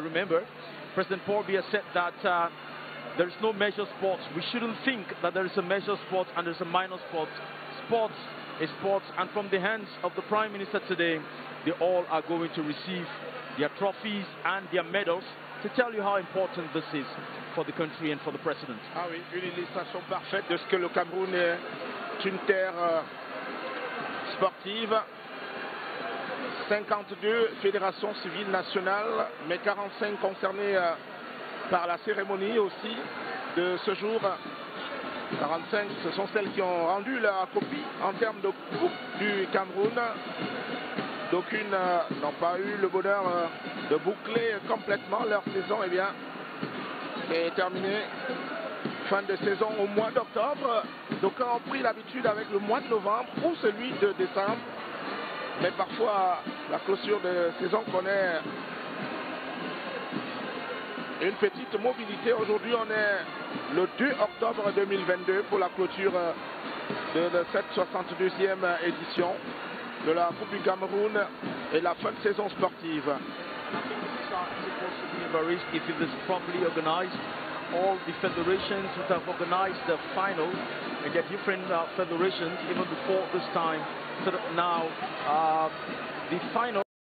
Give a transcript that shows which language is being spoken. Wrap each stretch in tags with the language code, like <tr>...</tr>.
<en>Remember, President Paul Biya said that there is no major sports. We shouldn't think that there is a major sport and there is a minor sport. Sports is sports, and from the hands of the Prime Minister today, they all are going to receive their trophies and their medals to tell you how important this is for the country and for the president.</en> <fr>Ah oui, une illustration parfaite de ce que le Cameroun est une terre sportive. 52 fédérations civiles nationales, mais 45 concernées par la cérémonie aussi de ce jour. 45, ce sont celles qui ont rendu la copie en termes de Coupe du Cameroun. D'aucune n'ont pas eu le bonheur de boucler complètement leur saison. Eh bien, c'est terminé. Fin de saison au mois d'octobre. D'aucuns ont pris l'habitude avec le mois de novembre ou celui de décembre. Mais parfois, la clôture de saison connaît une petite mobilité. Aujourd'hui, on est le 2 octobre 2022 pour la clôture de cette 62e édition de la Coupe du Cameroun et la fin de saison sportive.</fr> <en>If it is properly organized, all the federations that have organized the final and their different federations even before this time, so that now the final</en>